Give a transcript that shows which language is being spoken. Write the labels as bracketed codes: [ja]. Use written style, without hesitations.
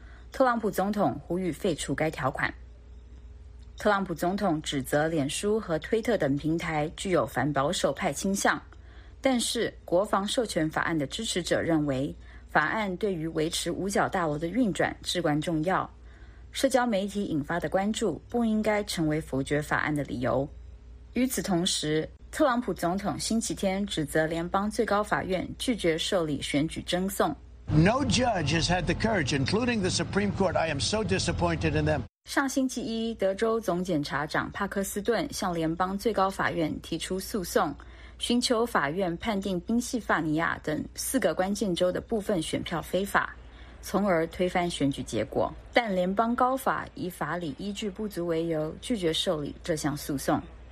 [zh] 特朗普总统呼吁废除该条款。特朗普总统指责脸书和推特等平台具有反保守派倾向，但是国防授权法案的支持者认为，法案对于维持五角大楼的运转至关重要，社交媒体引发的关注不应该成为否决法案的理由。与此同时，特朗普总统星期天指责联邦最高法院拒绝受理选举争讼。 [en] No judge has had the courage, including the Supreme Court. I am so disappointed in them. [zh] 上星期一，德州总检察长帕克斯顿向联邦最高法院提出诉讼，寻求法院判定宾夕法尼亚等4个关键州的部分选票非法，从而推翻选举结果。但联邦高法以法理依据不足为由，拒绝受理这项诉讼。